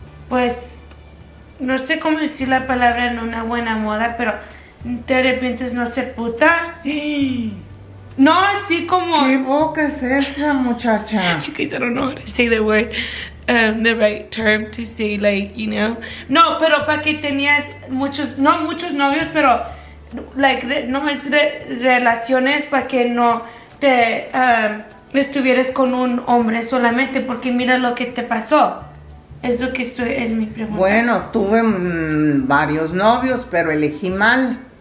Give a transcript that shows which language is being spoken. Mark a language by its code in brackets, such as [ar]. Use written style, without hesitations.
[es] Pues, no sé cómo decir la palabra en una buena moda, pero ¿te arrepientes no ser puta? No, así como... ¿Qué boca es esa, muchacha? [en] You guys, I don't know how to say the word, the right term to say, like, you know. [es] No, pero para que tenías muchos, no muchos novios, pero... like, no es de relaciones para que no te estuvieras con un hombre solamente, porque mira lo que te pasó. Eso que estoy, es mi pregunta. Bueno, tuve varios novios, pero elegí mal.